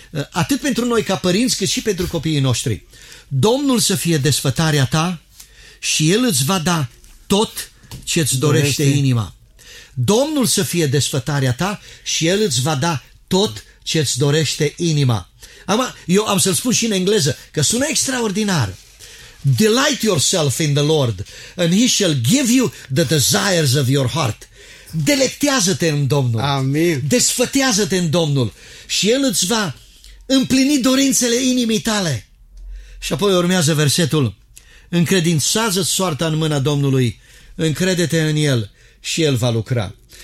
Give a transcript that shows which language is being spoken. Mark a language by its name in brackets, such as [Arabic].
[Romanian] Atât pentru noi ca părinți, cât și pentru copiii noștri. Domnul să fie desfătarea ta și El îți va da tot ce îți dorește inima. Domnul să fie desfătarea ta și El îți va da tot ce îți dorește inima. Ama, eu am să-l spun și în engleză, că sună extraordinar. [English] Delight yourself in the Lord and He shall give you the desires of your heart. [Romanian] Delectează-te în Domnul. Amin. Desfătează-te în Domnul și El îți va împlini dorințele inimii tale. Și apoi urmează versetul: încredințează-ți soarta în mâna Domnului, încrede-te în El și El va lucra.